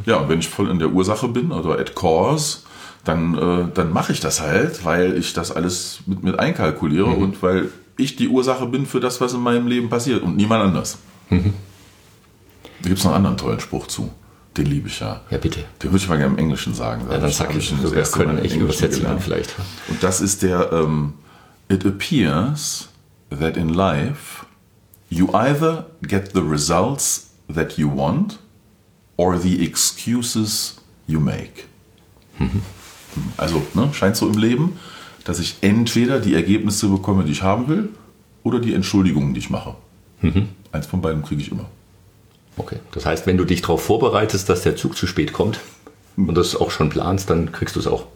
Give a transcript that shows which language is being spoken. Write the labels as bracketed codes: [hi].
[de] Ja, und wenn ich voll in der Ursache bin oder [en] at cause, [de] dann mache ich das halt, weil ich das alles mit einkalkuliere und weil ich die Ursache bin für das, was in meinem Leben passiert und niemand anders. Da gibt es noch einen anderen tollen Spruch zu. Den liebe ich ja. Ja, bitte. Den würde ich mal gerne im Englischen sagen. Ja, dann sag ich sogar, können ich übersetze ihn vielleicht. [en] Und das ist der, it appears that in life you either get the results that you want or the excuses you make. [de] Also, ne, scheint so im Leben, dass ich entweder die Ergebnisse bekomme, die ich haben will, oder die Entschuldigungen, die ich mache. Eins von beiden kriege ich immer. Okay, das heißt, wenn du dich darauf vorbereitest, dass der Zug zu spät kommt und das auch schon planst, dann kriegst du es auch.